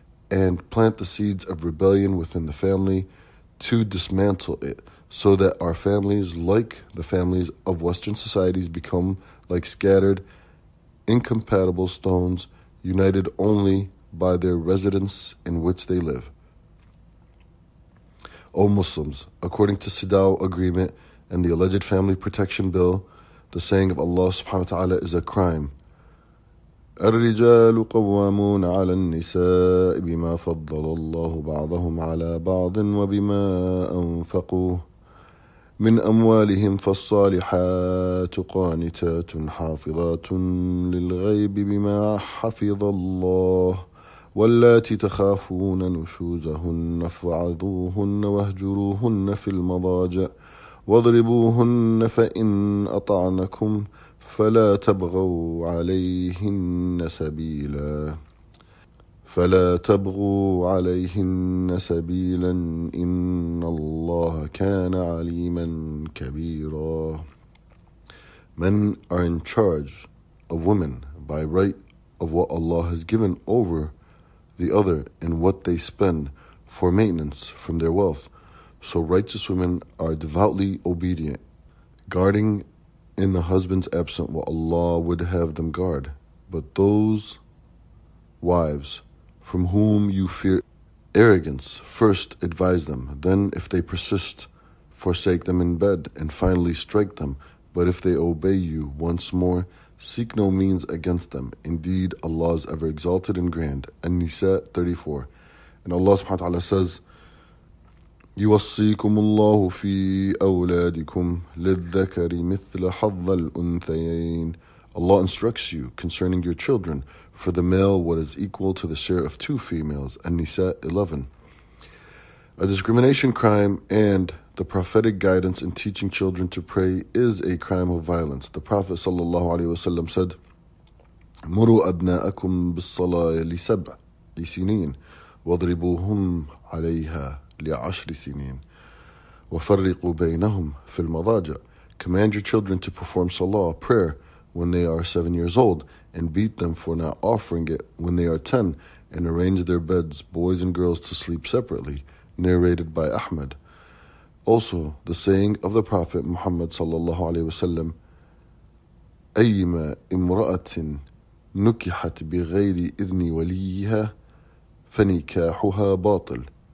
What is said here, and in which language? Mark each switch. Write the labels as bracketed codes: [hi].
[en] and plant the seeds of rebellion within the family to dismantle it, so that our families, like the families of Western societies, become like scattered, incompatible stones, united only by their residence in which they live. O Muslims, according to Sidao Agreement and the alleged Family Protection Bill, the saying of Allah subhanahu wa ta'ala is a crime. [ar] الرجال قوامون على النساء بما فضل الله بعضهم على بعض وبما أنفقوا من أموالهم فالصالحات قانتات حافظات للغيب بما حفظ الله واللاتي تخافون نشوزهن فعظوهن واهجروهن في المضاجع واضربوهن فإن أطعنكم فلا تبغوا عليهن سبيلا فلا تبغوا عليهن سبيلا إن الله كان عليما كبيرا. [en] Men are in charge of women by right of what Allah has given over the other and what they spend for maintenance from their wealth. So righteous women are devoutly obedient, guarding in the husband's absence what Allah would have them guard. But those wives from whom you fear arrogance, first advise them, then if they persist, forsake them in bed, and finally strike them. But if they obey you once more, seek no means against them. Indeed, Allah is ever exalted and grand. An-Nisa 34. And Allah subhanahu wa ta'ala says, [ar] يوصيكم الله في أولادكم للذكر مثل حظ الأنثيين. [en] Allah instructs you concerning your children, for the male what is equal to the share of two females. An-Nisa 11. A discrimination crime and the prophetic guidance in teaching children to pray is a crime of violence. The Prophet sallallahu alaihi wasallam said, [ar] مروا أبناءكم بالصلاة لسبع سنين واضربوهم عليها لعشر سنين وفرقوا بينهم في المضاجع. [en] Command your children to perform salah, prayer, when they are 7 years old, and beat them for not offering it when they are 10, and arrange their beds, boys and girls, to sleep separately. Narrated by Ahmed. Also, the saying of the Prophet Muhammad sallallahu alaihi wasallam, [ar] أيما امرأة نكحت بغير إذن وليها فنكاحها باطل.